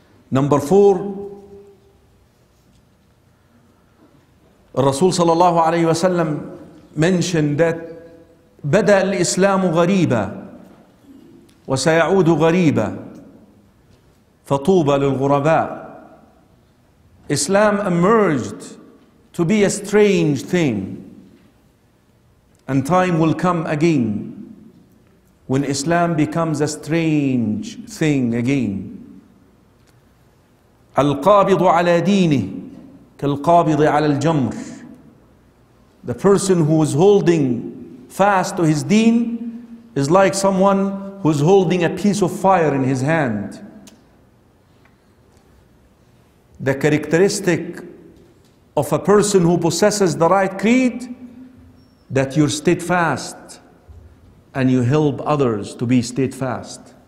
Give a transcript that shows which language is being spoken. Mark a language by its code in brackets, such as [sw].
[en] Number four, Rasul sallallahu alayhi wa sallam mentioned that [ar] بدأ الإسلام غريبا وسيعود غريبا فطوبى للغرباء. [en] Islam emerged to be a strange thing, and time will come again when Islam becomes a strange thing again. [ar] القابض على دينه كالقابض على الجمر. [en] The person who is holding fast to his deen is like someone who is holding a piece of fire in his hand. The characteristic of a person who possesses the right creed, that you're steadfast and you help others to be steadfast.